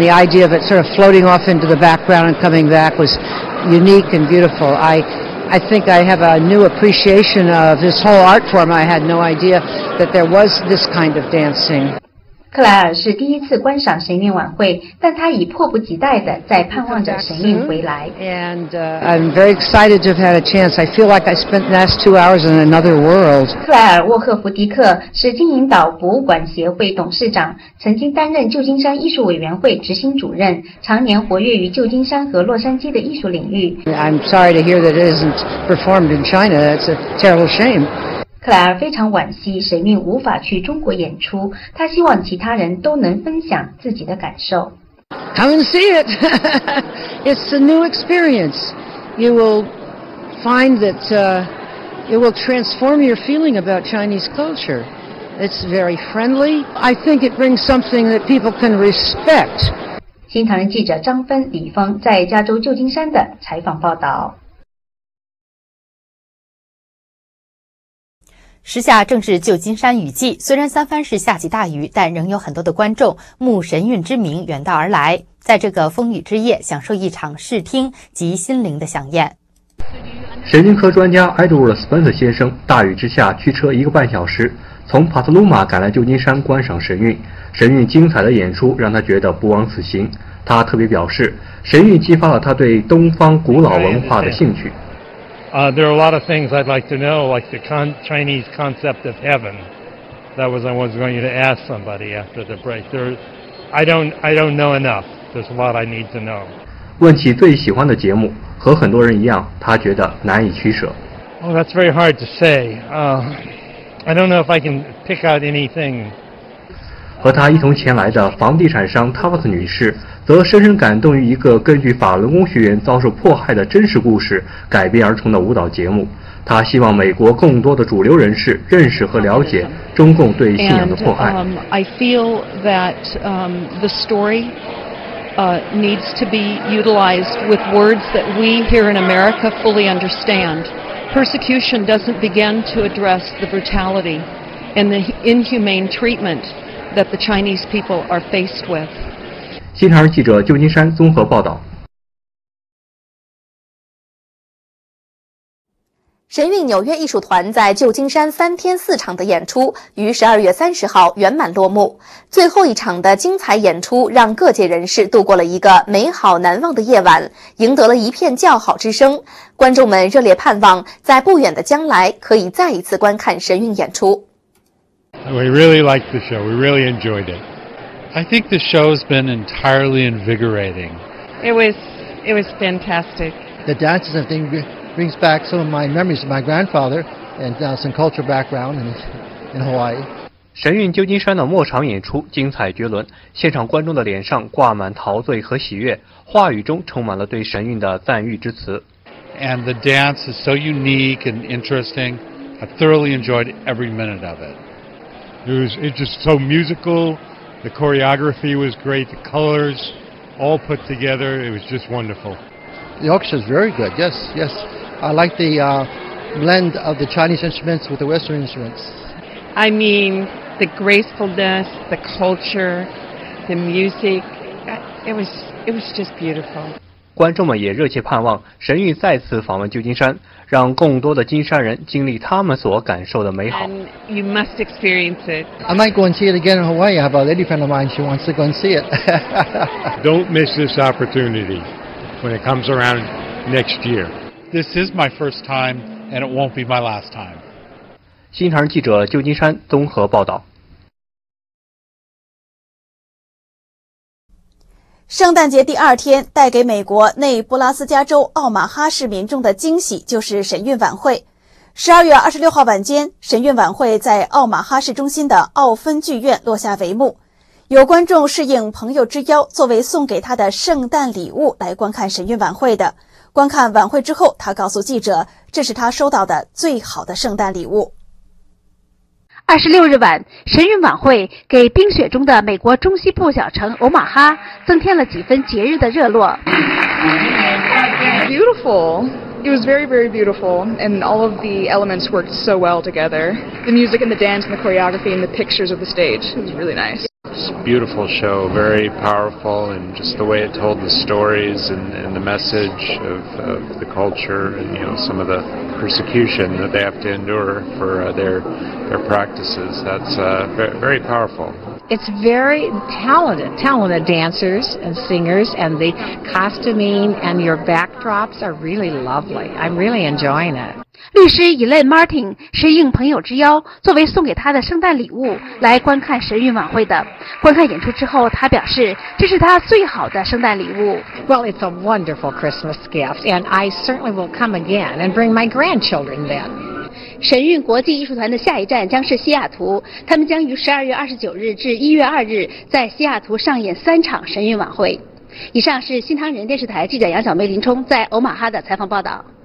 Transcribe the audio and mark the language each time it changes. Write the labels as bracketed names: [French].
[English] The idea of it sort of floating off into the background and coming back was unique and beautiful. I think I have a new appreciation of this whole art form. I had no idea that there was this kind of dancing. [Chinese] 克莱尔是第一次观赏神韵晚会，但他已迫不及待地在盼望着神韵回来。 [English] I'm very excited to have had a chance. I feel like I spent the last 2 hours in another world. [Chinese] 克莱尔·沃赫福迪克是金银岛博物馆协会董事长，曾经担任旧金山艺术委员会执行主任，常年活跃于旧金山和洛杉矶的艺术领域。 [English] I'm sorry to hear that it isn't performed in China. That's a terrible shame. [Chinese] 克莱尔非常惋惜神韵无法去中国演出，他希望其他人都能分享自己的感受。 [English] Come and see it. It's a new experience. You will find that it will transform your feeling about Chinese culture. It's very friendly. I think it brings something that people can respect. [Chinese] 新唐人记者张芬、李峰在加州旧金山的采访报道。时下正是旧金山雨季，虽然三藩市下起大雨，但仍有很多的观众慕神韵之名远道而来，在这个风雨之夜享受一场视听及心灵的飨宴。神经科专家 Edward Spencer 先生大雨之下驱车一个半小时从帕特鲁马赶来旧金山观赏神韵，神韵精彩的演出让他觉得不枉此行。他特别表示，神韵激发了他对东方古老文化的兴趣。 [English] There are a lot of things I'd like to know, like the Chinese concept of heaven. That was I was going to ask somebody after the break. I don't know enough. There's a lot I need to know. [Chinese] 问起最喜欢的节目，和很多人一样，他觉得难以取舍。 [English] Oh, that's very hard to say. I don't know if I can pick out anything. [Chinese] 和他一同前来的房地产商 Tabitha 女士则深深感动于一个根据法轮功学员遭受迫害的真实故事改编而成的舞蹈节目。他希望美国更多的主流人士认识和了解中共对信仰的迫害。 [English] I feel that the story needs to be utilized with words that we here in America fully understand. Persecution doesn't begin to address the brutality and the inhumane treatment that the Chinese people are faced with. [Chinese] 新唐人记者旧金山综合报道。神韵纽约艺术团在旧金山三天四场的演出于12月30号圆满落幕，最后一场的精彩演出让各界人士度过了一个美好难忘的夜晚，赢得了一片叫好之声。观众们热烈盼望在不远的将来可以再一次观看神韵演出。 [English] We really liked the show, we really enjoyed it. I think the show's been entirely invigorating. It was fantastic. The dances have been great. Brings back some of my memories of my grandfather and some cultural background in Hawaii. [Chinese] 神韵旧金山的末场演出精彩绝伦，现场观众的脸上挂满陶醉和喜悦，话语中充满了对神韵的赞誉之词。 [English] And the dance is so unique and interesting. I thoroughly enjoyed every minute of it. It was just so musical. The choreography was great. The colors all put together. It was just wonderful. The orchestra is very good, yes, yes. I like the blend of the Chinese instruments with the Western instruments. I mean, the gracefulness, the culture, the music, it was just beautiful. [Chinese] 观众们也热切盼望神韵再次访问旧金山，让更多的金山人经历他们所感受的美好。 [English] And you must experience it. I might go and see it again in Hawaii. I have a lady friend of mine, she wants to go and see it. Don't miss this opportunity. When it comes around next year. This is my first time, and it won't be my last time. [Chinese] 新唐人记者旧金山综合报道。圣诞节第二天带给美国内布拉斯加州奥马哈市民众的惊喜就是神韵晚会。 12月26号晚间，神韵晚会在奥马哈市中心的奥芬剧院落下帷幕。有观众是应朋友之邀作为送给他的圣诞礼物来观看神韵晚会的。观看晚会之后，他告诉记者，这是他收到的最好的圣诞礼物。 26日晚，神韵晚会给冰雪中的美国中西部小城欧马哈增添了几分节日的热络。 [English] Beautiful. It was very, very beautiful. And all of the elements worked so well together. The music and the dance and the choreography and the pictures of the stage. It was really nice. It's a beautiful show, very powerful, and just the way it told the stories and the message of the culture and, you know, some of the persecution that they have to endure for their practices. That's very powerful. It's very talented dancers and singers, and the costuming and your backdrops are really lovely. I'm really enjoying it. [Chinese] 律师 Elaine Martin 是应朋友之邀作为送给他的圣诞礼物来观看神韵晚会的。观看演出之后，他表示这是他最好的圣诞礼物。 [English] Well, it's a wonderful Christmas gift, and I certainly will come again and bring my grandchildren then. [Chinese] 神韵国际艺术团的下一站将是西雅图，他们将于12月29日至1月2日在西雅图上演三场神韵晚会。以上是新唐人电视台记者杨小梅林冲在欧马哈的采访报道。